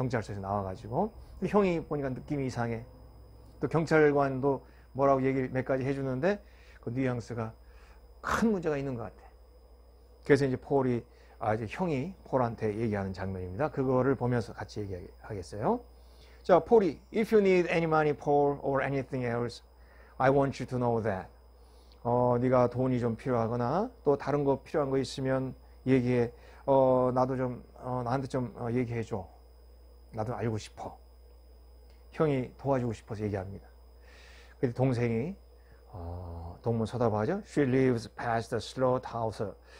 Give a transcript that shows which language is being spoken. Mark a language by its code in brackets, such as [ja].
[ko] 경찰서에서 나와 가지고 형이 보니까 느낌이 이상해. 또 경찰관도 뭐라고 얘기를 몇 가지 해주는데 그 뉘앙스가 큰 문제가 있는 것 같아. 그래서 이제 폴이 이제 형이 폴한테 얘기하는 장면입니다. 그거를 보면서 같이 얘기하겠어요. 자, 폴이, [en] If you need any money, Paul, or anything else, I want you to know that. [ko] 네가 돈이 좀 필요하거나 또 다른 거 필요한 거 있으면 얘기해. 나도 좀 나한테 좀 얘기해 줘. 나도 알고 싶어. 형이 도와주고 싶어서 얘기합니다. 그래서 동생이 동문 쳐다봐죠. [en] She lives past the slaughterhouse.